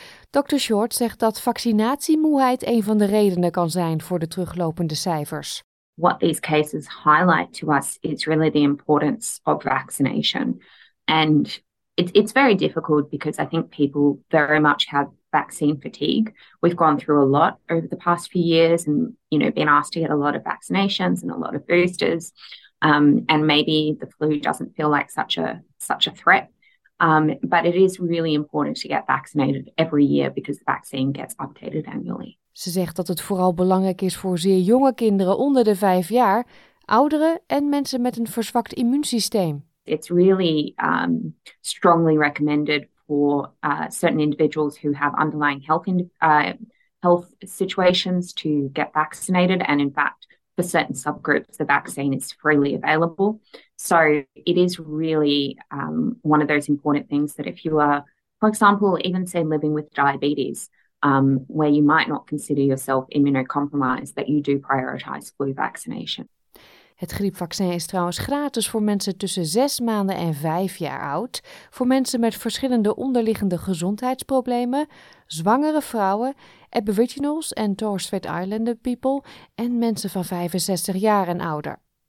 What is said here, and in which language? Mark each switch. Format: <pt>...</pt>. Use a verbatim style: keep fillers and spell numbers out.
<nl>dokter Short zegt dat vaccinatiemoeheid een van de redenen kan zijn voor de teruglopende cijfers.</nl> <en>What these cases highlight to us is really the importance of vaccination. And it, it's very difficult because I think people very much have vaccine fatigue. We've gone through a lot over the past few years and, you know, been asked to get a lot of vaccinations and a lot of boosters. Um, and maybe the flu doesn't feel like such a such a threat. Um, but it is really important to get vaccinated every year because the vaccine gets updated annually.</en> <nl>Ze zegt dat het vooral belangrijk is voor zeer jonge kinderen onder de vijf jaar, ouderen en mensen met een verzwakt immuunsysteem.</nl> <en>It's really um, strongly recommended for uh, certain individuals who have underlying health in, uh, health situations to get vaccinated. And in fact, for certain subgroups, the vaccine is freely available. So it is really um, one of those important things that if you are, for example, even say living with diabetes, um, where you might not consider yourself immunocompromised, that you do prioritise flu vaccination.</en> <nl>Het griepvaccin is trouwens gratis voor mensen tussen zes maanden en vijf jaar oud, voor mensen met verschillende onderliggende gezondheidsproblemen, zwangere vrouwen, Aboriginals en Torres Strait Islander people en mensen van vijfenzestig jaar en ouder.</nl>